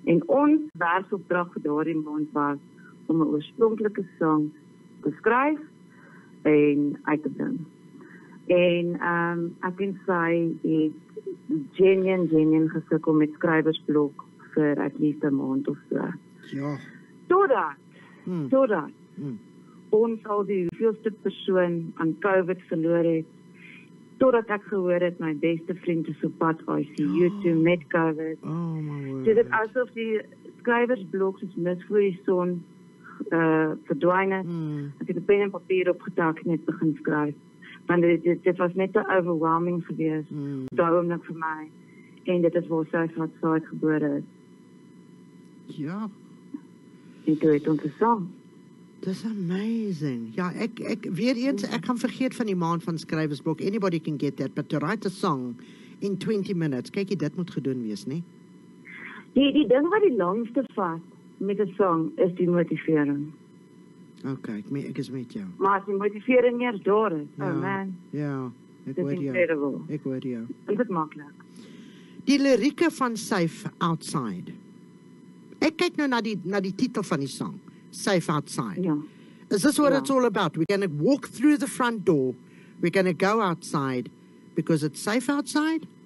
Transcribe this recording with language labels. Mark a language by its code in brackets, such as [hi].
[af] En ons werksopdrag vir daardie maand was om 'n oorspronklike sang te skryf en uit te bring. En ek en sy het genien gesukkel met skrywersblok vir at least 'n maand of so. Ja. Totdat ons al die hoeveelste persoon aan COVID verloor het, totdat ek gehoor het my beste vriend is op pad ICU toe met COVID. Oh my word. Dit het asof die skrywersblok soos mis voor die son verdwyn het. Hmm. Ek het die pen en papier opgetak en het begin skryf. Want dit was net te overwhelming gewees, daaromlik vir my. En dit is waar sy van saad gebore is. Ja. En toe het ons gesang. Dis amazing. Ja, ek weer eens, ek gaan vergeet van die maand van skrywersblok. [en] Anybody can get that, but to write a song in 20 minutes. [af] Kyk jy, dit moet gedoen wees, nie? Die ding wat die langste vat met 'n song is die motivering. Oké, okay, ek is met jou. Maar as die motivering nie is daar, oh man. Ja, ek hoor jou. Is het makkelijk. Die lirieke van Safe Outside. Ek kyk nou na die titel van die song. Safe Outside. Ja. [en] Is this what it's all about? We're going to walk through the front door. We're going to go outside because it's safe outside?